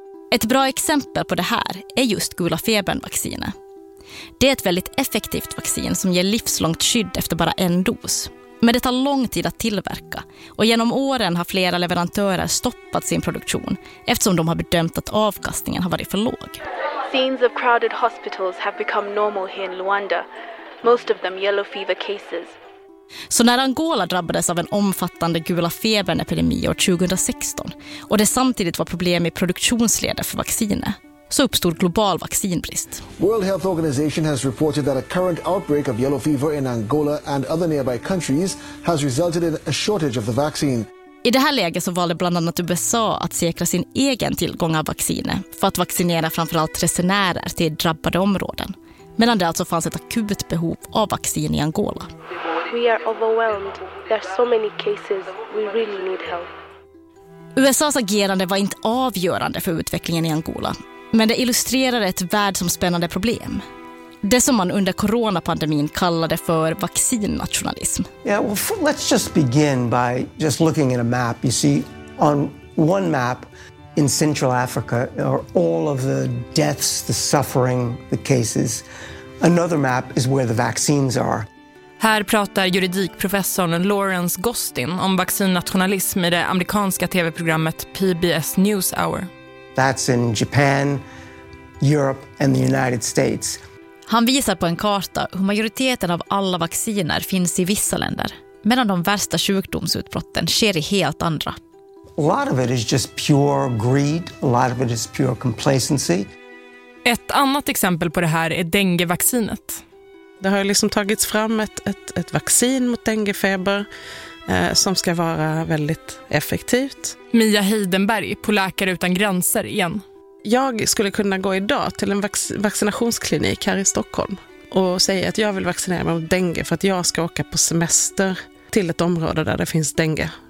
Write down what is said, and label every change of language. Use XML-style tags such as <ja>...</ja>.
<sv>Ett bra exempel på det här är just gula febernvaccinet. Det är ett väldigt effektivt vaccin som ger livslångt skydd efter bara en dos. Men det tar lång tid att tillverka och genom åren har flera leverantörer stoppat sin produktion eftersom de har bedömt att avkastningen har varit för låg.</sv> <en>Scenes of crowded hospitals have become normal here in Luanda, most of them yellow fever cases.</en> <sv>Så när Angola drabbades av en omfattande gula febernepidemi år 2016 och det samtidigt var problem i produktionsledet för vaccinet, så uppstod global vaccinbrist.</sv> <en>World Health Organization has reported that a current outbreak of yellow fever in Angola and other nearby countries has resulted in a shortage of the vaccine.</en> <sv>I det här läget så valde bland annat USA att säkra sin egen tillgång av vacciner för att vaccinera framförallt resenärer till drabbade områden, medan det alltså fanns ett akut behov av vaccin i Angola.</sv> <en>We are overwhelmed. There are so many cases. We really need help.</en> <sv>USAs agerande var inte avgörande för utvecklingen i Angola. Men det illustrerar ett världsomspännande problem. Det som man under coronapandemin kallade för vaccinnationalism.</sv> <en>Yeah, well, let's just begin by just looking at a map. You see, on one map in Central Africa are all of the deaths, the suffering, the cases. Another map is where the vaccines are.</en> <sv>Här pratar juridikprofessorn Lawrence Gostin om vaccinnationalism i det amerikanska TV-programmet PBS News Hour.</sv> <en>That's in Japan, Europe and the United States.</en> <sv>Han visar på en karta hur majoriteten av alla vacciner finns i vissa länder, medan de värsta sjukdomsutbrotten sker i helt andra.</sv> <en>A lot of it is just pure greed, a lot of it is pure complacency.</en> <sv>Ett annat exempel på det här är denguevaccinet. Det har liksom tagits fram ett vaccin mot denguefeber. som ska vara väldigt effektivt. Mia Heidenberg på Läkare utan gränser igen. Jag skulle kunna gå idag till en vaccinationsklinik här i Stockholm och säga att jag vill vaccinera mig mot dengue för att jag ska åka på semester till ett område där det finns dengue.</sv>